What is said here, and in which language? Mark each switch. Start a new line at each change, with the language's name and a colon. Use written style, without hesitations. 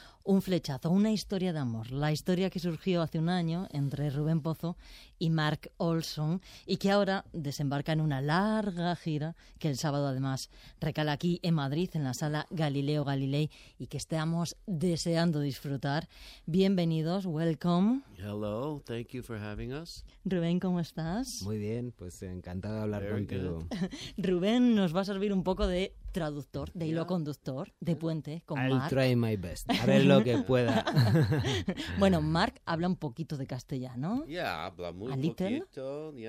Spanish: un flechazo, una historia de amor. La historia que surgió hace un año entre Rubén Pozo y Mark Olson y que ahora desembarca en una larga gira que el sábado además recala aquí en Madrid, en la sala Galileo Galilei, y que estamos deseando disfrutar. Bienvenidos, welcome.
English: Hello, thank you for having us.
Spanish: Rubén, ¿cómo estás? Muy bien, pues encantado de hablar contigo. Rubén nos va a servir un poco de traductor, de hilo conductor, de puente con
English: I'll
Spanish: Mark.
English: I'll try my best.
Spanish: A ver lo que pueda. Bueno, Mark habla un poquito de castellano. Yeah, habla muy poquito.